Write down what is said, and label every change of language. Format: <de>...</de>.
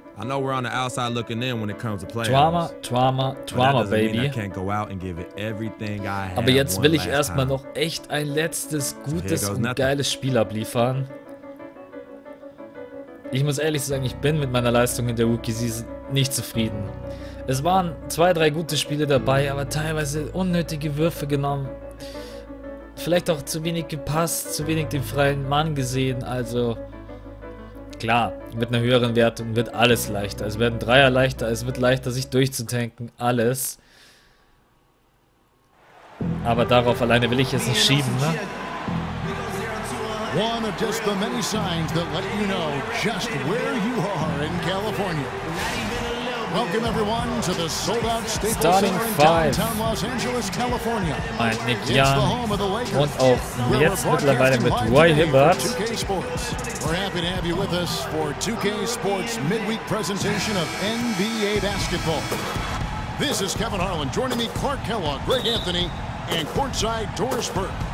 <en>I know we're on the outside looking in when it comes to playoffs. Drama, baby.</en> <de>Aber jetzt will ich erstmal noch echt ein letztes gutes und geiles Spiel abliefern. Ich muss ehrlich sagen, ich bin mit meiner Leistung in der Rookie Season nicht zufrieden. Es waren zwei, drei gute Spiele dabei, aber teilweise unnötige Würfe genommen. Vielleicht auch zu wenig gepasst, zu wenig den freien Mann gesehen. Also klar, mit einer höheren Wertung wird alles leichter. Es werden Dreier leichter, es wird leichter, sich durchzutanken, alles. Aber darauf alleine will ich es nicht schieben, ne?</de> <en>One of just the many signs that let you know just where you are in California. Welcome everyone to the sold-out Staples Starting Center in downtown Los Angeles, California.</en> <de>Mein Nick Young und auch jetzt mittlerweile mit Roy Hibbert.</de> <en>We're happy to have you with us for 2K Sports midweek presentation of NBA basketball. This is Kevin Harlan joining me, Clark Kellogg, Greg Anthony and courtside Doris Burke.</en>